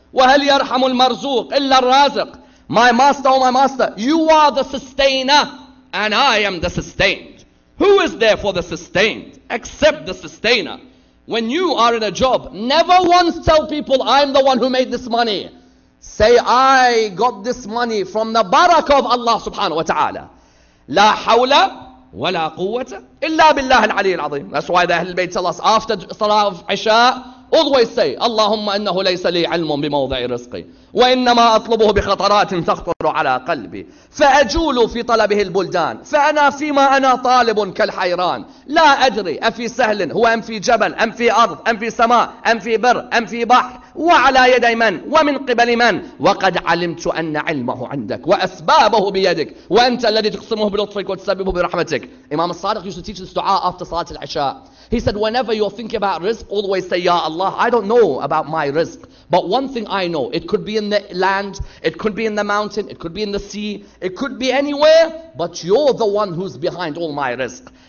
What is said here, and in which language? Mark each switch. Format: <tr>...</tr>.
<ar>وهل يرحم المرزوق إلا الرازق؟</ar> <en>My master, oh my master, you are the sustainer and I am the sustained. Who is there for the sustained except the sustainer? When you are in a job, never once tell people, I'm the one who made this money. Say, I got this money from the barakah of Allah subhanahu wa ta'ala.</en> <ar>لا حول ولا قوة إلا بالله العلي العظيم.</ar> <en>That's why the Ahlul Bayt tell us after Salah of Isha, always say,</en> <ar>اللهم إنه ليس لي علم بموضع رزقي وإنما أطلبه بخطرات تخطر على قلبي فأجول في طلبه البلدان فأنا فيما أنا طالب كالحيران لا أدري أفي سهل هو أم في جبل أم في أرض أم في سماء أم في بر أم في بحر وعلى يدي من ومن قبل من وقد علمت أن علمه عندك وأسبابه بيدك وأنت الذي تقسمه بلطفك وتسببه برحمتك.</ar> <en>إمام الصادق used to teach this dua after صلاة العشاء. He said, whenever you're thinking about rizq, always say, Ya Allah, I don't know about my rizq. But one thing I know, it could be in the land, it could be in the mountain, it could be in the sea, it could be anywhere, but you're the one who's behind all my rizq.</en>